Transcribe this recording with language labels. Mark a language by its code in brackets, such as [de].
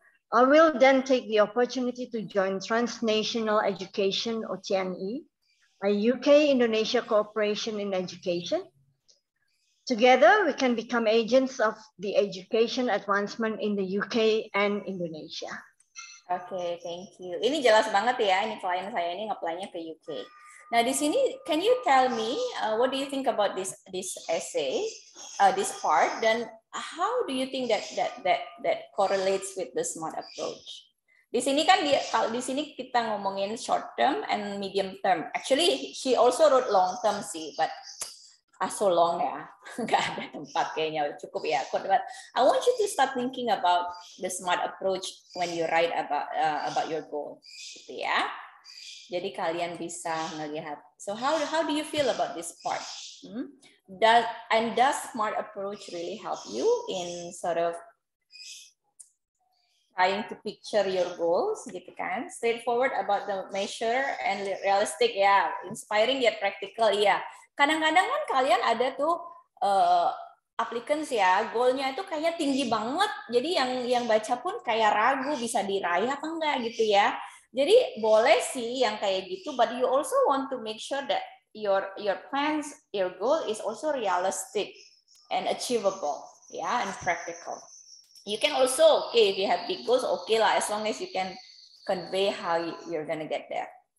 [en] I will then take the opportunity to join Transnational Education, or TNE, a UK-Indonesia cooperation in education. Together, we can become agents of the education advancement in the UK and Indonesia. Okay, thank you. [id] Ini jelas banget ya, ini klien saya ini nge-apply-nya ke UK. Nah, di sini, [en] can you tell me, what do you think about this essay, this part, dan how do you think that correlates with the SMART approach? [id] Di sini kan, di sini kita ngomongin [en] short term and medium term. Actually, she also wrote long term sih, but so long ya, [id] nggak ada tempat kayaknya, cukup ya. [en] But I want you to start thinking about the SMART approach when you write about your goal, gitu ya. [id] Jadi kalian bisa melihat. [en] So how do you feel about this part? Does SMART approach really help you in sort of trying to picture your goals, gitu kan? Straightforward about the measure and realistic, ya. Yeah. Inspiring yet practical, [id] ya. Yeah. Kadang-kadang kan kalian ada tuh applicants ya, goalnya itu kayaknya tinggi banget. Jadi yang baca pun kayak ragu bisa diraih apa enggak gitu ya. Jadi boleh sih yang kayak gitu, [en] but you also want to make sure that your plans, your goal is also realistic and achievable, yeah, and practical. You can also, okay, if you have big goals, okay lah, as long as you can convey how you're gonna get there.